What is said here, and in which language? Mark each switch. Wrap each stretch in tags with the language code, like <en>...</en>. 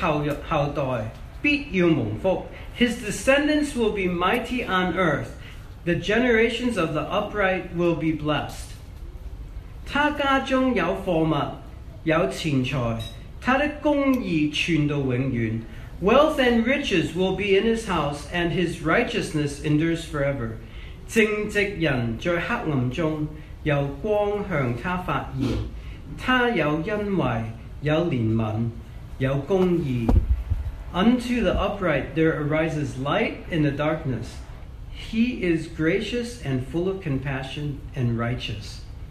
<zh>他的後裔在世必強盛，正直的人的後代必要蒙福。</zh> <en>His descendants will be mighty on earth. The generations of the upright will be blessed.</en> <zh>他家中有貨物，有錢財，他的公義存到永遠。</zh> <en>Wealth and riches will be in his house, and his righteousness endures forever.</en> <zh>正直人在黑暗中有光向他發現，他有恩惠，有憐憫，有公義。</zh> <en>Unto the upright there arises light in the darkness. He is gracious and full of compassion and righteous.</en>